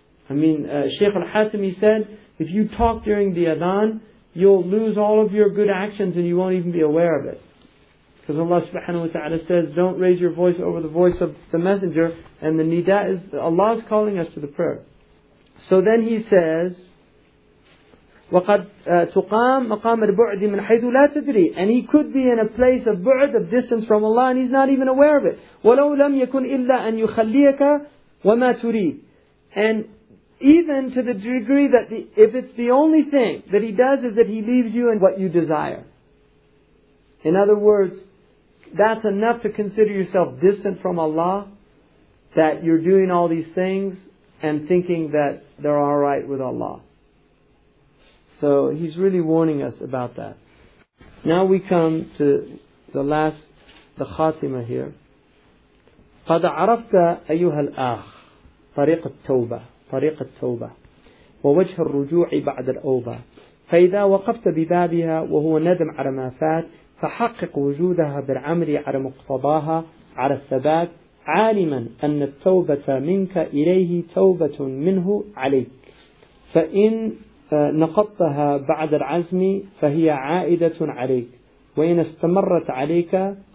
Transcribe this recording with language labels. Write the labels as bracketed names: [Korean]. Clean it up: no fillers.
[English] I mean, Shaykh al-Hasimi said, if you talk during the Adhan, you'll lose all of your good actions and you won't even be aware of it. Because Allah subhanahu wa ta'ala says, don't raise your voice over the voice of the messenger, and the nida is, Allah is calling us to the prayer. So then he says, [Arabic] وَقَدْ تُقَامْ مَقَامَ الْبُعْدِ مِنْ حَيْثُ لَا تَدْرِي. [English] And he could be in a place of bu'd, of distance from Allah, and he's not even aware of it. [Arabic] وَلَوْ لَمْ يَكُنْ إِلَّا أَنْ يُخَلِّيَكَ وَمَا تُرِيدْ. [English] And even to the degree that if it's the only thing that he does is that he leaves you in what you desire. In other words, that's enough to consider yourself distant from Allah, that you're doing all these things and thinking that they're all right with Allah. So he's really warning us about that. Now we come to the last, the khatima here. [Arabic] قَدْ عَرَفْتَ أَيُّهَا الْأَخِ طَرِيقَ التَّوْبَةِ طَرِيقَ التَّوْبَةِ وَوَجْهَ الرُّجُوعِ بَعْدَ الْأَوْبَةِ فَإِذَا وَقَفْتَ بِبَابِهَا وَهُوَ نَدَمْ عَلَى مَا فَاتْ فَحَقِّقْ وُجُودَهَا بِالْعَمْرِ عَلَى مُقْتَضَاهَا عَلَى الثَّبَاتِ عَالِمًا أَنَّ التَّوْبَةَ مِنْكَ إِلَيْهِ تَوْبَةٌ مِنْهُ عَلَيْكَ فَإِنْ نقضتها بعد العزم فهي عائدة عليك وإن استمرت عليك